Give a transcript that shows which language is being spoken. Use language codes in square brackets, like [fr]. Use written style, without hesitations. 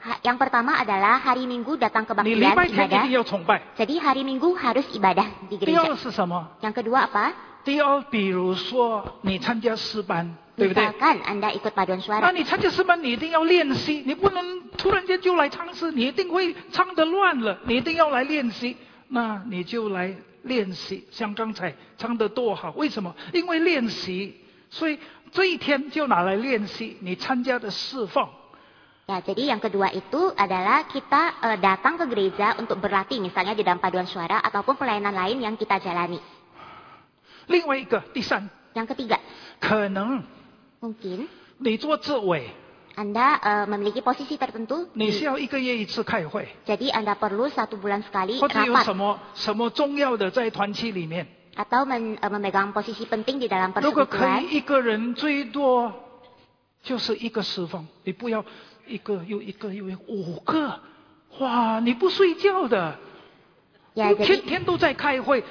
[id] Yang pertama adalah hari Minggu datang ke bangkitan ibadah. [zh] 你礼拜天一定要崇拜。 [id] Jadi hari Minggu harus ibadah di gereja. [zh] 第二是什么？ [id] Yang kedua apa? [zh] 第二，比如说你参加诗班，对不对？ [id] Misalkan Anda ikut paduan suara. [zh] 那你参加诗班，你一定要练习，你不能突然间就来唱诗，你一定会唱得乱了。你一定要来练习，那你就来练习，像刚才唱得多好，为什么？因为练习，所以这一天就拿来练习你参加的侍奉。 [id] Ya, jadi yang kedua itu adalah kita datang ke gereja untuk berlatih misalnya di dalam paduan suara ataupun pelayanan lain yang kita jalani. [zh] 另外一个第三。 [id] Yang ketiga. [zh] 可能。 [id] Mungkin. [zh] 你做执委。 [id] Anda memiliki posisi tertentu. [zh] 你需要一个月一次开会。 [id] Jadi Anda perlu satu bulan sekali rapat. [zh] 或者有什么重要的在团契里面。 [id] Atau memegang posisi penting di dalam persekutuan. [zh] 如果可以一个人最多就是一个侍奉，你不要。一个又一个又一个，五个，哇！你不睡觉的，天天都在开会。